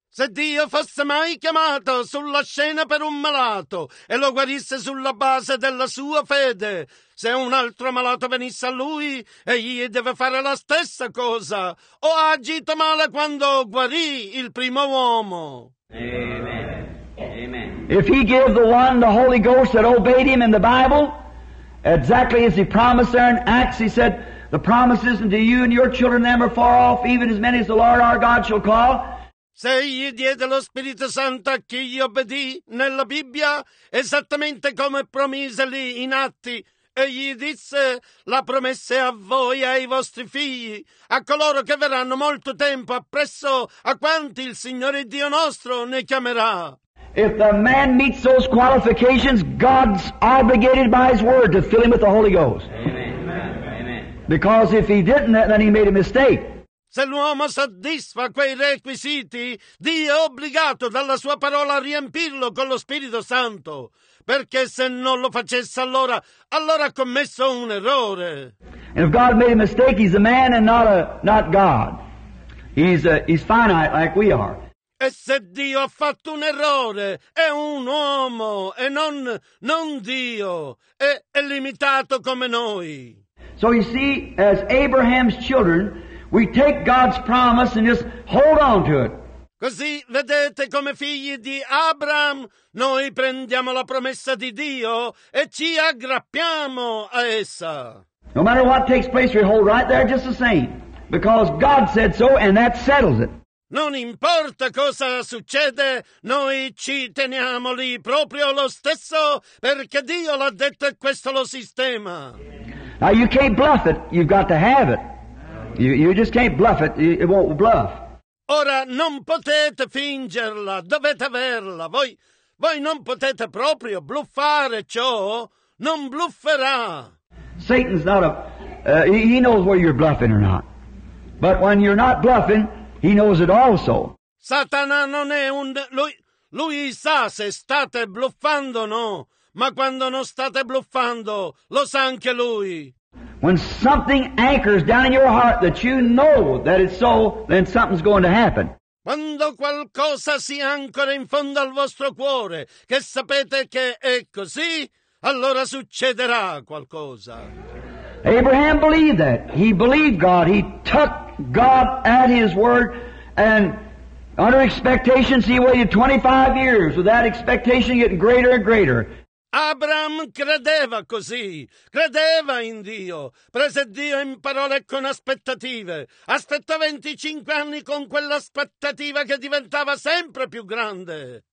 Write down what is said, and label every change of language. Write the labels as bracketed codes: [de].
[it] Se Dio fosse mai chiamato sulla scena per un malato e lo guarisse sulla base della sua fede, se un altro malato venisse a lui, egli deve fare la stessa cosa. O ha agito male quando guarì il primo uomo. Amen. Amen. [en] If he gave the one the Holy Ghost that obeyed him in the Bible, exactly as he promised there in Acts, he said, the promise isn't to you and your children, them are far off, even as many as the Lord our God shall call. [it] Se gli diede lo Spirito Santo a chi gli obbedì nella Bibbia, esattamente come promise lì in Atti, e gli disse, la promessa è a voi e ai vostri figli, a coloro che verranno molto tempo appresso a quanti il Signore Dio nostro ne chiamerà. [en] If the man meets those qualifications, God's obligated by his word to fill him with the Holy Ghost. Amen. Because if he didn't, then he made a mistake. [it] Se l'uomo soddisfa quei requisiti, Dio è obbligato dalla sua parola a riempirlo con lo Spirito Santo. Perché se non lo facesse allora ha commesso un errore. [en] And if God made a mistake, he's a man and not God. He's finite like we are. [it] E se Dio ha fatto un errore, è un uomo e non Dio. È limitato come noi. [en] So you see, as Abraham's children... We take God's promise and just hold on to it. [it] Così vedete come figli di Abram, noi prendiamo la promessa di Dio e ci aggrappiamo a essa. [en] No matter what takes place, we hold right there just the same. Because God said so and that settles it. [it] Non importa cosa succede, noi ci teniamo lì proprio lo stesso perché Dio l'ha detto e questo lo sistema. [en] Now you can't bluff it, you've got to have it. You just can't bluff it. It won't bluff. [it] Ora non potete fingerla. Dovete averla. Voi non potete proprio bluffare ciò. Non blufferà. [en] Satan's not a... He knows where you're bluffing or not. But when you're not bluffing, he knows it also. [it] Satana non è un... Lui sa se state bluffando o no. Ma quando non state bluffando, lo sa anche lui. [en] When something anchors down in your heart that you know that it's so, then something's going to happen. [it] Quando qualcosa si ancora in fondo al vostro cuore, che sapete che è così, allora succederà qualcosa. [en] Abraham believed that. He believed God. He took God at his word, and under expectations, he waited 25 years with that expectation getting greater and greater. [it] Abram credeva così, credeva in Dio, prese Dio in parole con aspettative, aspettò 25 anni con quell'aspettativa che diventava sempre più grande.